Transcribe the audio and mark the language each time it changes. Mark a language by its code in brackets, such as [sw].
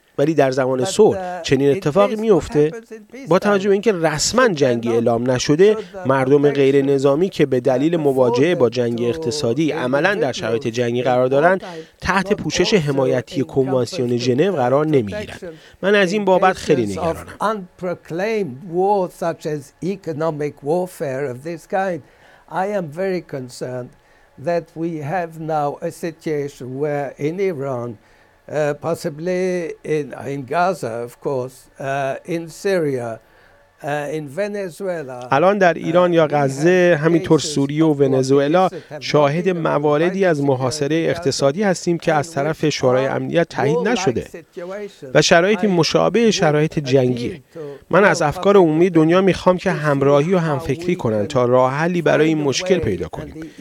[fa] ولی در زمان صلح چنین اتفاقی میفته؟ با توجه به اینکه رسما جنگی اعلام نشده، مردم غیر نظامی که به دلیل مواجهه با جنگ اقتصادی عملا در شرایط جنگی قرار دارند، تحت پوشش حمایتی کنوانسیون ژنو قرار نمیگیرند. من از این بابت خیلی نگرانم. [en] That we have now a situation where in Iran, possibly in Gaza, of course, in Syria, in Venezuela. [fa] الان در ایران یا غزه، همینطور سوریه و ونزوئلا شاهد مواردی از محاصره اقتصادی هستیم که از طرف شورای امنیت تایید نشده و شرایطی مشابه شرایط جنگی. من از افکار عمومی دنیا میخوام که همراهی و همفکری کنن تا راه حلی برای این مشکل پیدا کنیم.